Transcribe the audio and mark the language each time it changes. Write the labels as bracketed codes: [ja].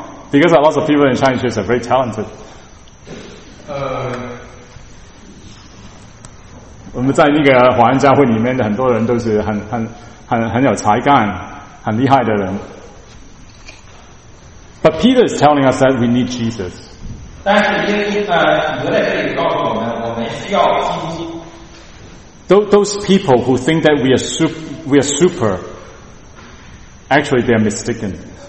[en] Because a lot of people in Chinese church are very talented. [zh] 我们在那个华人教会里面的很多人都是很有才干，很厉害的人。 [en] But Peter is telling us that we need Jesus. [zh] 但是耶稣在这里告诉我们，我们需要基督。 [en] Those people who think that we are super, actually they are mistaken.